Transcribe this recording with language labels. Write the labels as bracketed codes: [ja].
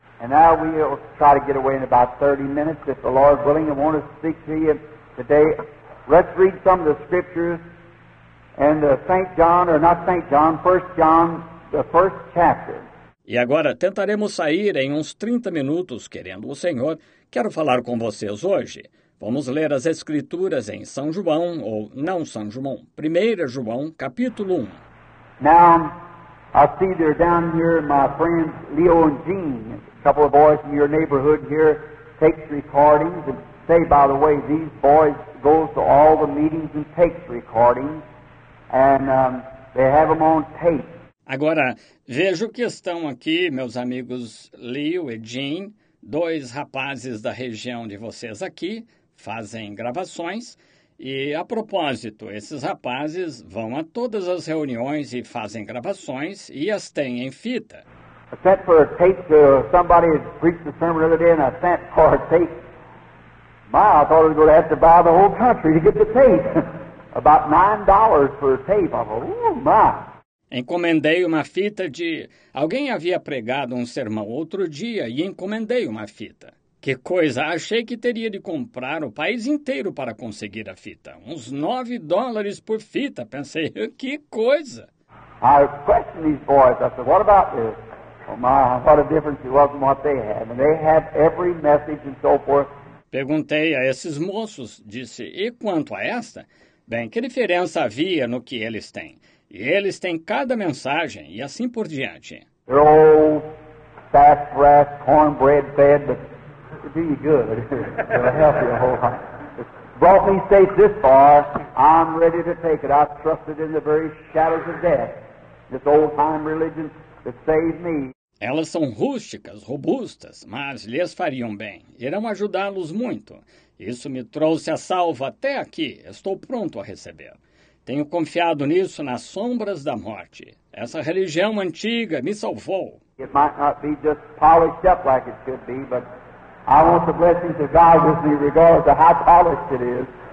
[en] And now we will try to get away in about 30 minutes, if the Lord willing, and want to speak to you today. Let's read some of the scriptures and St. John, or not St. John, 1 John, the first chapter. [pt] E agora tentaremos sair em uns 30 minutos, querendo o Senhor. Quero falar com vocês hoje. Vamos ler as Escrituras em São João, ou não São João, 1 João, capítulo 1. [en] Now, I see they're down here, my friends Leo and Jean, a couple of boys in your neighborhood here, takes recordings, and say, by the way, these boys go to all the meetings and takes recordings, and they have them on tape. [pt] Agora, vejo que estão aqui meus amigos Leo e Jean, dois rapazes da região de vocês aqui, fazem gravações. E, a propósito, esses rapazes vão a todas as reuniões e fazem gravações e as têm em fita. [en] I sent for a tape to somebody who preached a sermon the other day, and I sent for a tape. My, I thought I was going to have to buy the whole country to get the tape. About $9 for a tape. I thought, oh, my. [pt] Encomendei uma fita de... Alguém havia pregado um sermão outro dia e encomendei uma fita. Que coisa! Achei que teria de comprar o país inteiro para conseguir a fita. Uns $9 por fita. Pensei, que coisa! [en] I questioned these boys. I said, what about this? Oh, my, what a difference it was in what they had. And they had every message and so forth. [pt] Perguntei a esses moços, disse, e quanto a esta? Bem, que diferença havia no que eles têm? E eles têm cada mensagem, e assim por diante. [en] They're all sassafras, cornbread fed, but it'll do you good. It'll help you a whole lot. Brought me safe this far, I'm ready to take it. I've trusted in the very shadows of death, this old-time religion that saved me. [pt] Elas são rústicas, robustas, mas lhes fariam bem. Irão ajudá-los muito. Isso me trouxe a salvo até aqui. Estou pronto a receber. Tenho confiado nisso nas sombras da morte. Essa religião antiga me salvou. [en] It might not be just polished up like it should be, but I want the blessings of God with me regardless of how polished it is.